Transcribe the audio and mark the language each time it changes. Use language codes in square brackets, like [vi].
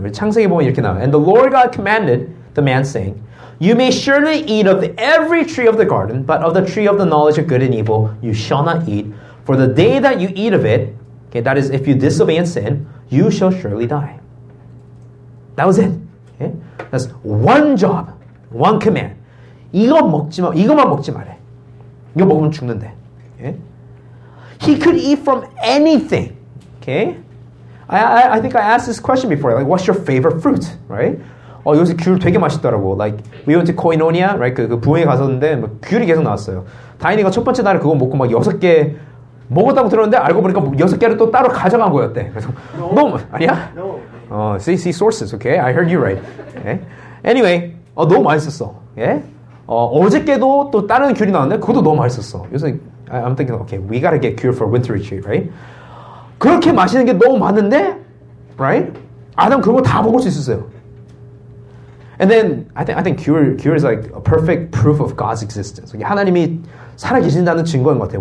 [ko] 우리 창세기 보면 이렇게 나와요. [en] And the Lord God commanded the man, saying, You may surely eat of every tree of the garden, but of the tree of the knowledge of good and evil you shall not eat. For the day that you eat of it, okay, that is, if you disobey and sin, you shall surely die. That was it. Okay? That's one job, one command. [ko] 이거 먹지 마, 이거만 먹지 말해. 이거 먹으면 죽는데. [en] Okay? He could eat from anything. Okay? I think I asked this question before, like, what's your favorite fruit, right? [ko] 어, 요새 귤 되게 맛있더라고. [en] Like, we went to Koinonia, right? [ko] 그 부엌에 갔었는데, 막 귤이 계속 나왔어요. 다인이가 첫 번째 날에 그거 먹고 막 여섯 개 먹었다고 들었는데, 알고 보니까 여섯 개를 또 따로 가져간 거였대. 그래서, [en] no. [ko] 너무, 아니야? [en] No. 어, see, see sources, okay? I heard you right. Okay? Anyway, 어, [ko] 너무 맛있었어. 예? 어, 어저께도 또 다른 귤이 나왔는데, 그것도 너무 맛있었어. [en] 요새, I'm thinking, okay, we gotta get cure for winter retreat, right? [ko] 그렇게 맛있는 게 너무 많은데, [en] right? [ko] 아담 그런 거 다 먹을 수 있었어요. [en] And then I think cure is like a perfect proof of God's existence. [ko] 하나님이 살아 계신다는 증거인 것 같아요.